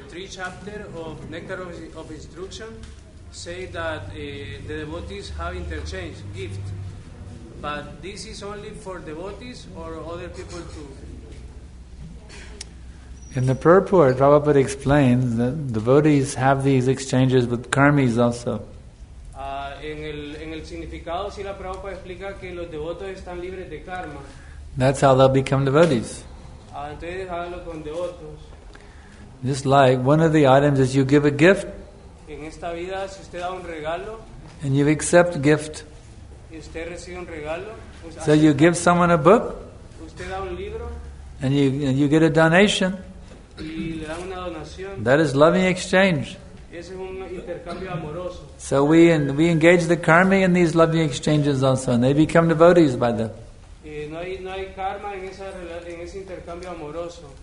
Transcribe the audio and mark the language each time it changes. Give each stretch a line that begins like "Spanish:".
English: Chapter of Nectar of Instruction say that the devotees have interchange gift, but this is only for devotees or other people too? In the purport, Prabhupada explains that devotees have these exchanges with karmis also.
Spanish: En el significado, si la Prabhupada explica que los devotos están libres de karma.
English: That's how they'll become devotees.
Spanish: Entonces háganlo con devotos.
English: Just like one of the items is you give a gift.
Spanish: En esta vida, si usted da un regalo,
English: and you accept gift.
Spanish: Usted recibe un regalo,
English: so you give someone a book.
Spanish: Usted da un libro,
English: and you get a donation.
Spanish: Y le da una donación.
English: That is loving exchange.
Spanish: Ese es un intercambio amoroso.
English: So we engage the karma in these loving exchanges also, and they become devotees by them.
Spanish: No hay karma en esa, en ese intercambio amoroso.